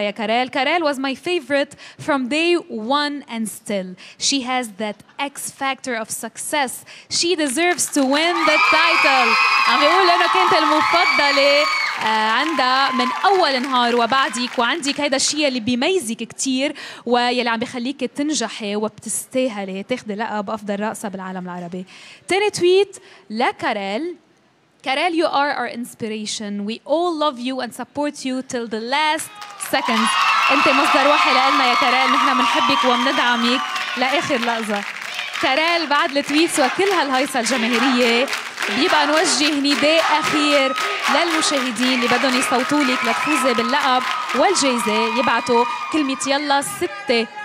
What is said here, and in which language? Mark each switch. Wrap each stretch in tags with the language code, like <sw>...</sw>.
<en>يا Karel, Karel was my favourite from day 1 and still she has that X factor of success she deserves to win the title.</en> <ar>عم بيقول انه كانت المفضله عندها من اول نهار وبعدك، وعندك هيدا الشيء اللي بيميزك كثير ويلي عم بخليك تنجحي وبتستاهلي تاخذي لقب افضل راقصه بالعالم العربي. تاني تويت لكاريل.</ar> <en>Karel, you are our inspiration. We all love you and support you till the last seconds.</en> <ar>أنت مصدر واحد لنا يا كاريل، نحن منحبك ومندعمك لآخر لحظة. كاريل بعد التويتس وكل هالهيصة الجماهيرية بيبقى نوجه نداء أخير للمشاهدين اللي بدهم يصوتوا لك لتفوزي باللقب والجائزة، يبعتوا كلمة يلا ستة.</ar>